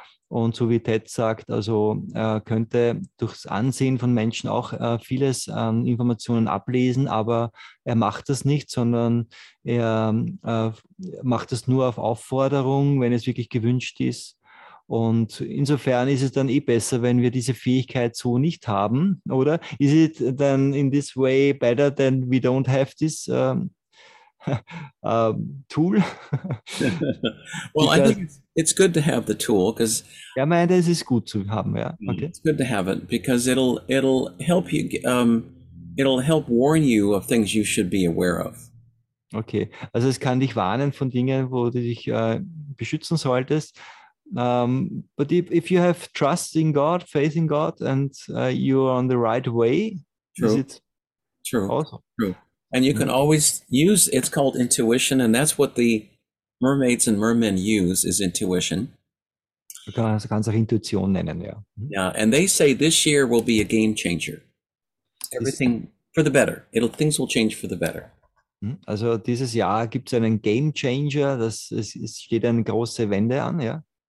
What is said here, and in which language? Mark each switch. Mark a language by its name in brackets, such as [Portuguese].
[German] Und so wie Ted sagt, also könnte durchs Ansehen von Menschen auch vieles an Informationen ablesen, aber er macht das nicht, sondern er macht das nur auf Aufforderung, wenn es wirklich gewünscht ist. Und insofern ist es dann eh besser, wenn wir diese Fähigkeit so nicht haben, oder? [English] Is it then in this way better than we don't have this tool? Well, because, I think it's good to have the tool, because [German] ja, meine, es ist gut zu haben, ja. [English] Okay. It's good to have it because it'll help you it'll help warn you of things you should be aware of. [German] Okay, also es kann dich warnen von Dingen, wo du dich beschützen solltest. [English] But if you have trust in God, faith in God, and you are on the right way, true. Is it true? Awesome? True. And you can always use, it's called intuition, and that's what the mermaids and mermen use, is intuition. Du kannst auch Intuition nennen, ja. Yeah, and they say this year will be a game changer. Everything for the better. Things will change for the better. [German] Also dieses Jahr gibt's einen game changer, es steht eine große Wende an, ja.